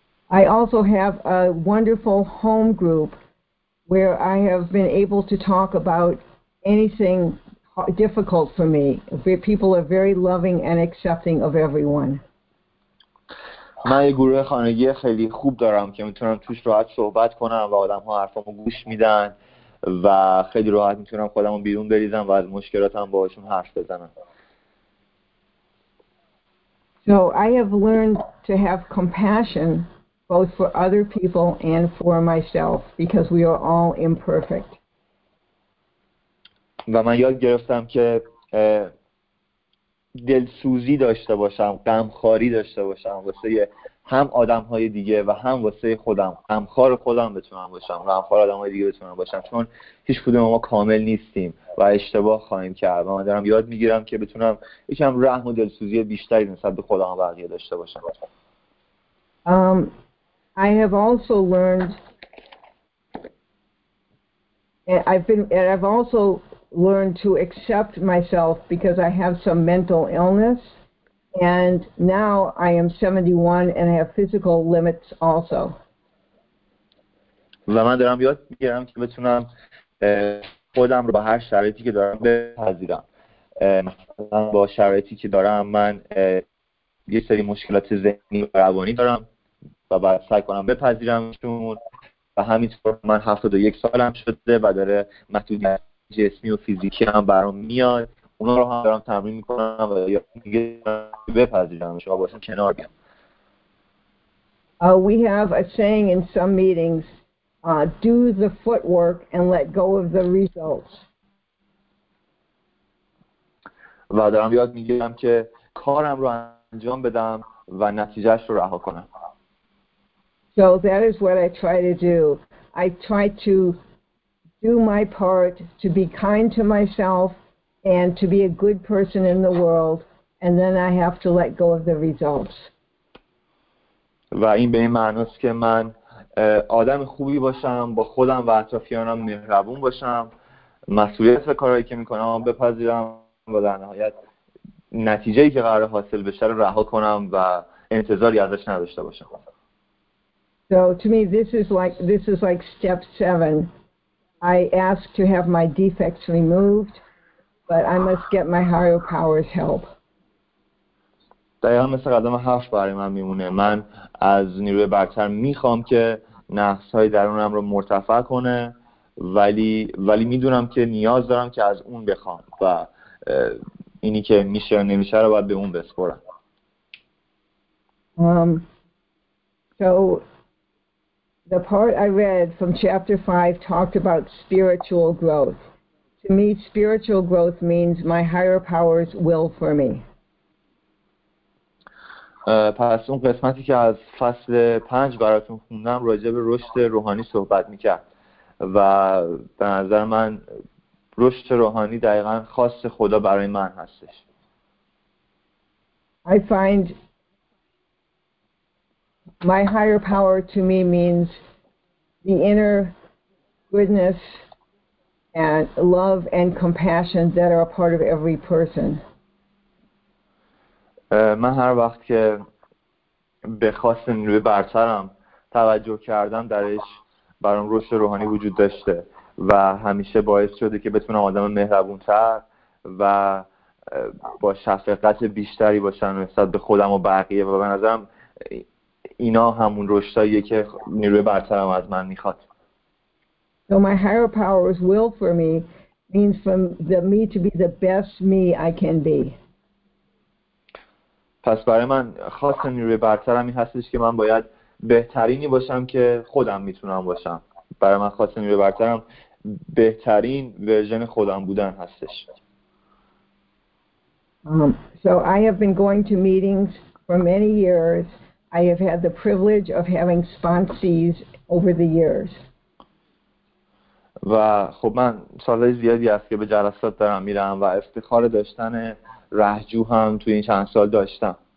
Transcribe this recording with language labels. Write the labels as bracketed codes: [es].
[en] I also have a wonderful home group where I have been able to talk about anything difficult for me. People are very loving and accepting of everyone. [fa] من یه گروه خانگی خیلی خوب دارم که میتونم توش راحت صحبت کنم و آدم ها حرفامو گوش میدن و خیلی راحت میتونم خودمو بیرون بریزم و از مشکلاتم باهاشون حرف بزنم. [en] So I have learned to have compassion both for other people and for myself because we are all imperfect. [fa] و من یاد گرفتم که دلسوزی داشته باشم، غمخواری داشته باشم واسه هم آدم‌های دیگه و هم واسه خودم، غمخوار خودم بتونم باشم، غمخوار آدم‌های دیگه بتونم باشم، چون هیچ کدوم ما کامل نیستیم و اشتباه خواهیم کرد و من دارم یاد میگیرم که بتونم یکم رحم و دلسوزی بیشتری نسبت به خودم و بقیه داشته باشم. [en] I have also learned I've also learned to accept myself because I have some mental illness and now I am 71 and I have physical limits also. [fa] و من دارم یاد میگیرم که بتونم خودم رو با هر شرایطی که دارم بپذیرم. مثلا با شرایطی که دارم من یه سری مشکلات ذهنی و روانی دارم و باید سعی کنم بپذیرمشون و همینطور من 71 سالم شده و داره محدودیت جسمی و فیزیکی هم برام میاد، اونا رو هم دارم تمرین میکنم و یا دیگه بپذیرم شما باشم کنار بیام. [en] We have a saying in some meetings, do the footwork and let go of the results. [fa] و دارم یاد میگیرم که کارم رو انجام بدم و نتیجهش رو رها کنم. [en] So that is what I try to do. I try to do my part to be kind to myself and to be a good person in the world, and then I have to let go of the results. [fa] و این به این معناست که من آدم خوبی باشم، با خودم و اطرافیانم مهربون باشم، مسئولیت به کارهایی که میکنم بپذیرم و در نهایت نتیجهی که قرار حاصل بشه رو رها کنم و انتظاری ازش نداشته باشم. [en] So to me this is like step 7. I ask to have my defects removed, but I must get my higher powers help. [fa] دقیقا مثل قدم 7 برای من میمونه. من از نیروی برتر میخوام که نقصهای درونم رو مرتفع کنه، ولی میدونم که نیاز دارم که از اون بخوام و اینی که میشه یا نمیشه رو باید به اون بسپرم. [en] The part I read from chapter 5 talked about spiritual growth. To me, spiritual growth means my higher powers will for me. [fa] پس اون قسمتی که از فصل 5 براتون خوندم راجع به رشد روحانی صحبت می‌کرد و به نظر من رشد روحانی دقیقاً خواست خدا برای من هستش. [en] I find my higher power to me means the inner goodness and love and compassion that are a part of every person. [fa] من هر وقت که به خواست نیروی برترم توجه کردم درش برام رشد روحانی وجود داشته و همیشه باعث شده که بتونم آدم مهربونتر و با شفقت بیشتری باشم نسبت به خودم و بقیه، و به نظرم اینا همون رشدایی که نیروی برتر هم از من میخواد. [en] So my higher powers will for me means for me to be the best me I can be. [fa] پس برای من خواست نیروی برتر هم این هستش که من باید بهترینی باشم که خودم میتونم باشم. برای من خواست نیروی برتر هم بهترین ورژن خودم بودن هستش. [en] So I have been going to meetings for many years. I have had the privilege of having sponsees over the years. [fa] و خب من سالهای زیادی است که به جلسات دارم میرم و افتخار داشتن رهجو هم توی این چند سال داشتم.